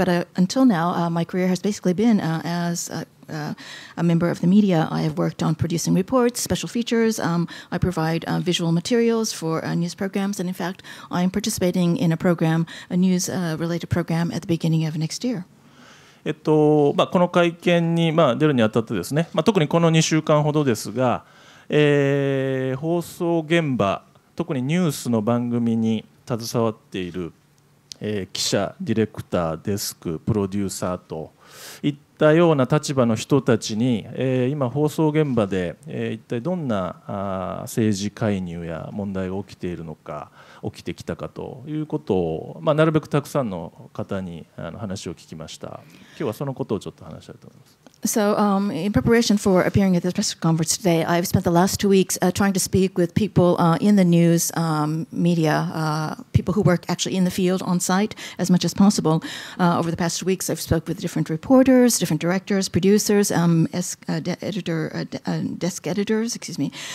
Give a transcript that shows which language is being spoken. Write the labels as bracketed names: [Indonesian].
[English] But until now, my career has basically been as a member of the media. I have worked on producing reports, special features. I provide visual materials for news programs. And in fact, I am participating in a program, a news related program at the beginning of next year. [Japanese] まあ、この会見に、まあ、出るにあたってですね、まあ、特にこの2週間ほどですが、放送現場特にニュースの番組に携わっている、記者ディレクターデスクプロデューサーといったような立場の人たちに、今放送現場で、一体どんな政治介入や問題が起きているのか起きてきたかということを、まあ、なるべくたくさんの方に話を聞きました。今日はそのことをちょっと話したいと思います。 [English] So, in preparation for appearing at this press conference today, I've spent the last 2 weeks trying to speak with people in the news media, people who work actually in the field on site as much as possible. Over the past 2 weeks, I've spoke with different reporters, different directors, producers, desk editors, excuse me.